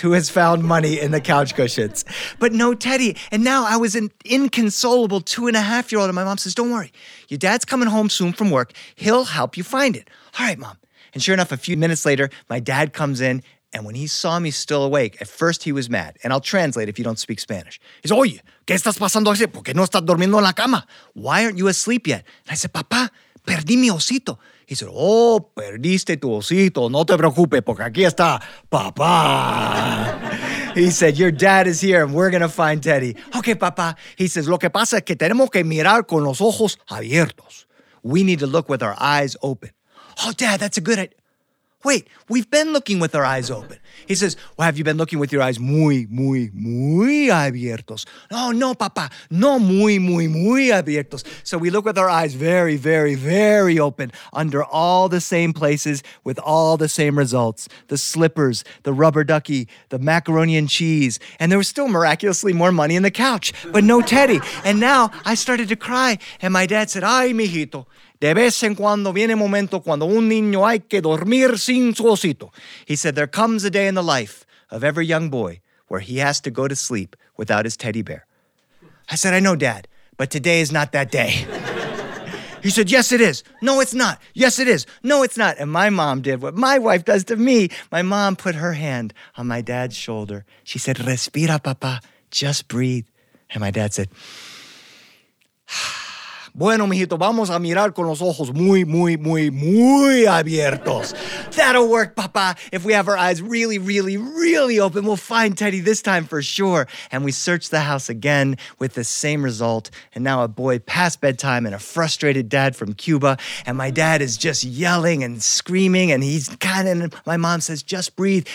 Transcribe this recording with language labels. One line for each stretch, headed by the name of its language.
English: Who has found money in the couch cushions? But no Teddy. And now I was an inconsolable 2.5-year-old, and my mom says, "Don't worry. Your dad's coming home soon from work. He'll help you find it." "All right, Mom." And sure enough, a few minutes later, my dad comes in, and when he saw me still awake, at first he was mad. And I'll translate if you don't speak Spanish.
Spanish: He's, "Oye, ¿qué estás pasando así? ¿Por qué no estás durmiendo en la cama?
English: Why aren't you asleep yet?" And I said,
Spanish: "Papá, perdí mi osito." He said, "Oh, perdiste tu osito. No te preocupes, porque aquí está papá."
English: He said, "Your dad is here, and we're going to find Teddy." "Okay, papá." He says,
Spanish: "Lo que pasa es que tenemos que mirar con los ojos abiertos."
English: We need to look with our eyes open. "Oh, Dad, that's a good idea. Wait, we've been looking with our eyes open." He says, "Well, have you been looking with your eyes
Spanish: muy, muy, muy abiertos?" "Oh, no, papá, no muy, muy, muy abiertos."
English: So we look with our eyes very, very, very open, under all the same places, with all the same results. The slippers, the rubber ducky, the macaroni and cheese, and there was still miraculously more money in the couch, but no Teddy. And now I started to cry, and my dad said,
Spanish: "Ay, mijito. De vez en cuando viene momento cuando un niño hay que dormir sin su osito."
English: He said, "There comes a day in the life of every young boy where he has to go to sleep without his teddy bear." I said, "I know, Dad, but today is not that day." He said, "Yes, it is." "No, it's not." "Yes, it is." "No, it's not." And my mom did what my wife does to me. My mom put her hand on my dad's shoulder. She said,
Spanish: "Respira, papá.
English: Just breathe." And my dad said,
Spanish: "Bueno, mijito, vamos a mirar con los ojos muy, muy, muy, muy abiertos."
English: "That'll work, papá. If we have our eyes really, really, really open, we'll find Teddy this time for sure." And we searched the house again with the same result. And now a boy past bedtime and a frustrated dad from Cuba. And my dad is just yelling and screaming. And he's kind of, and my mom says, "Just breathe."